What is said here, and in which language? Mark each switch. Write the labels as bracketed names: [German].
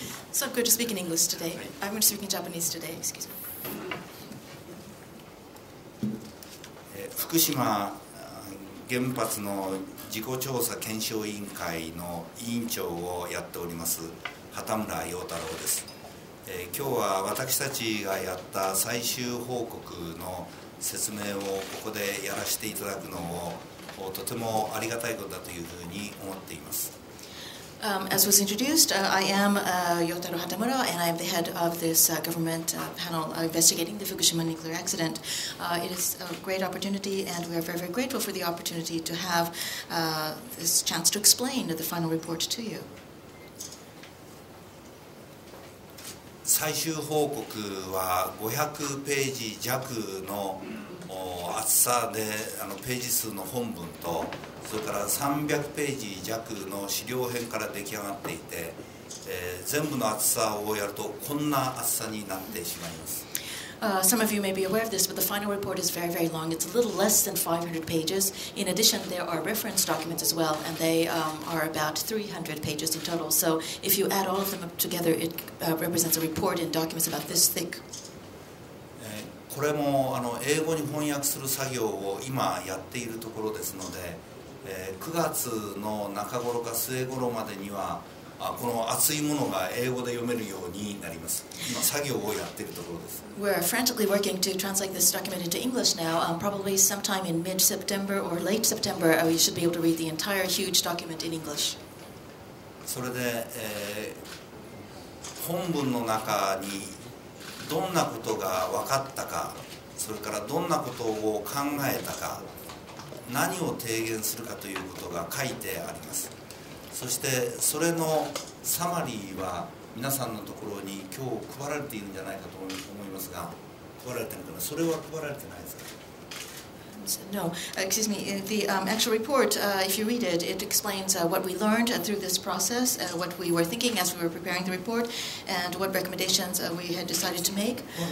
[English] It's not good to speak in English today. I'm going to speak in Japanese today, excuse me. [Japanese] Fukushima 原発の事故調査検証委員会の委員長をやっております畑村陽太郎です。今日は私たちがやった最終報告の説明をここでやらせていただくのをとてもありがたいことだというふうに思っています。 [English] As was introduced, I am Yotaro Hatamura, and I am the head of this government panel investigating the Fukushima nuclear accident. It is a great opportunity, and we are very, very grateful for the opportunity to have this chance to explain the final report to you. [Japanese] 最終報告は500ページ弱の厚さで、ページ数の本文と、それから300ページ弱の資料編から出来上がっていて、全部の厚さをやるとこんな厚さになってしまいます。 [English] Some of you may be aware of this, but the final report is very, very long. It's a little less than 500 pages. In addition, there are reference documents as well, and they are about 300 pages in total. So if you add all of them up together, it represents a report in documents about this thick. [Japanese] これも英語に翻訳する作業を今やっているところですので、9月の中頃か末頃までにはこの熱いものが英語で読めるようになります。今作業をやっているところです。 [English] We're frantically working to translate this document into English now. Probably sometime in mid-September or late September, we should be able to read the entire huge document in English. [Japanese] それで、本文の中にどんなことが分かったか、それからどんなことを考えたか、何を提言するかということが書いてあります。そしてそれのサマリーは皆さんのところに今日配られているんじゃないかと思いますが、配られているかな、それは配られてないですか。 [English] No, excuse me. The actual report, if you read it, it explains what we learned through this process, what we were thinking as we were preparing the report, and what recommendations we had decided to make.